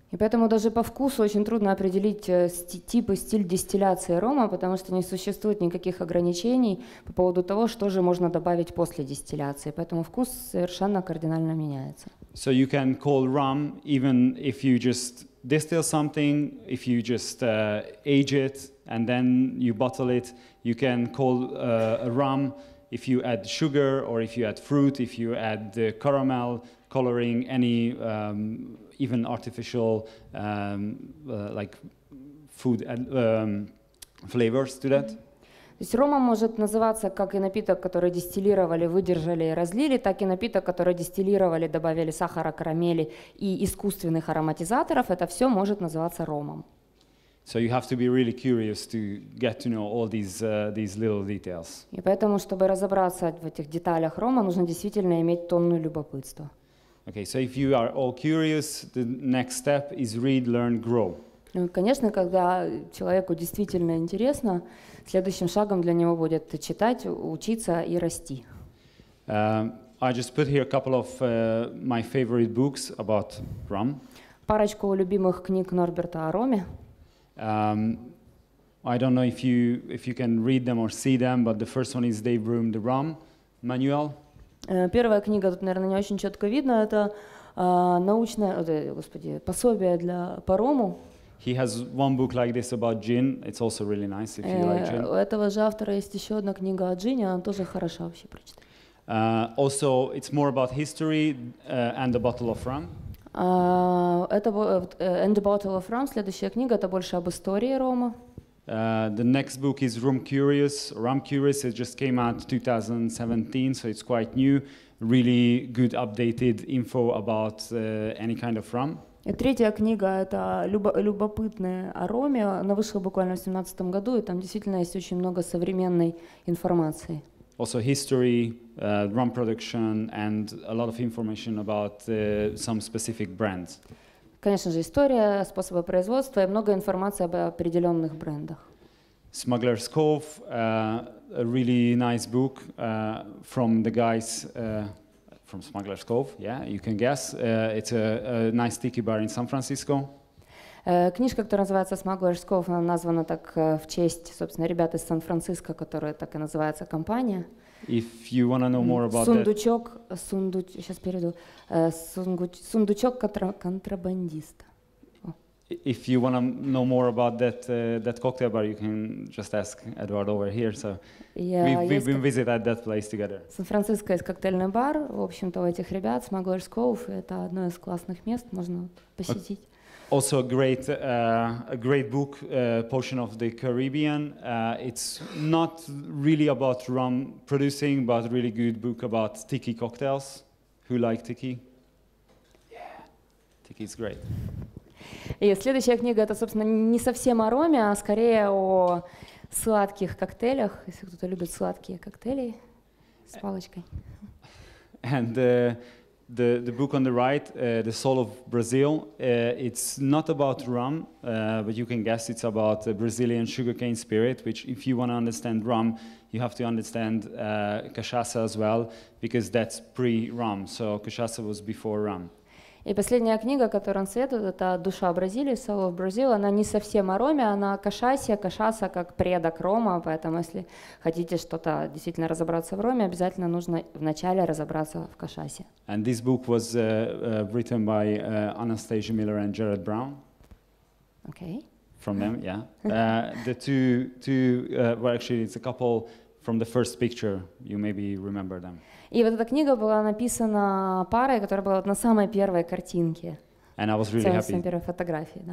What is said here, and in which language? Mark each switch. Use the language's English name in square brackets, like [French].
[Russian] И поэтому даже по вкусу очень трудно определить тип и стиль дистилляции рома, потому что не существует никаких ограничений по поводу того, что же можно добавить после дистилляции. Поэтому вкус совершенно кардинально меняется. [English] So you can call rum even if you just distill something, if you just age it and then you bottle it. You can call a rum if you add sugar or if you add fruit, if you add the caramel coloring, any even artificial like food flavors to that. [Russian] То есть рома может называться как и напиток, который дистиллировали, выдержали и разлили, так и напиток, который дистиллировали, добавили сахара, карамели и искусственных ароматизаторов. Это все может называться ромом. [English] So you have to be really curious to get to know all these little details. [Russian] И поэтому, чтобы разобраться в этих деталях рома, нужно действительно иметь тонну любопытства. [English] Okay, so if you are all curious, the next step is read, learn, grow. [Russian] Конечно, когда человеку действительно интересно, следующим шагом для него будет читать, учиться и расти. [English] I just put here a couple of my favorite books about rum. [Russian] Парочку любимых книг Норберта о роме. [English] I don't know if you can read them or see them, but the first one is They Brewed the Rum, Manuel. [Russian] Первая книга тут, наверное, не очень четко видно. Это научное, господи, пособие для по рому. [English] He has one book like this about gin. It's also really nice if you like gin. [Russian] У этого же автора есть еще одна книга о джине, она тоже хороша вообще прочитать. [English] Also, it's more about history and a bottle of rum. [Russian] Это And the Bottle of Rum, следующая книга, это больше об истории рома. [English] The next book is Rum Curious, it just came out 2017, so it's quite new. Really good updated info about any kind of rum. [Russian] И третья книга, это любопытные о роме, она вышла буквально в 2017 году, и там действительно есть очень много современной информации. [English] Also history, rum production, and a lot of information about some specific brands. [Russian] Конечно же, история, способы производства и много информации об определенных брендах. [English] Smuggler's Cove, a really nice book from the guys from Smuggler's Cove. Yeah, you can guess. It's a nice tiki bar in San Francisco. [Russian] Книжка, которая называется «Smuggler's Cove», она названа так в честь, собственно, ребят из Сан-Франциско, которые так и называется компания. [English] If you want to know more about [Russian] сундучок, that. Сундучок, сейчас перейду. Сундучок контрабандиста. [English] If you want to know more about that cocktail bar, you can just ask Edward over here. So we've been visited that place together. [Russian] Сан-Франциско есть коктейльный бар, в общем-то, у этих ребят, Smuggler's Cove, это одно из классных мест, можно посетить. [English] Also a great book, Potion of the Caribbean. It's not really about rum producing, but really good book about tiki cocktails. Who like tiki? Yeah, tiki is great. [Russian] И следующая книга это, собственно, не совсем о роме, а скорее о сладких коктейлях, если кто-то любит сладкие коктейли с палочкой. [English] And the book on the right, The Soul of Brazil, it's not about rum, but you can guess it's about the Brazilian sugarcane spirit, which if you want to understand rum, you have to understand cachaça as well, because that's pre-rum, so cachaça was before rum. [Russian] И последняя книга, которую он советует, это «Душа Бразилии», «Soul of Brazil». Она не совсем о роме, она о кашасе, кашаса как предок рома, поэтому если хотите что-то действительно разобраться в роме, обязательно нужно вначале разобраться в кашасе. [English] And this book was written by Anastasia Miller and Jared Brown. Okay. From them, yeah. The two, actually it's a couple from the first picture, you maybe remember them. [Russian] И вот эта книга была написана парой, которая была на самой первой картинке. [English] And I was really happy. [Russian] Самой первой фотографии, да.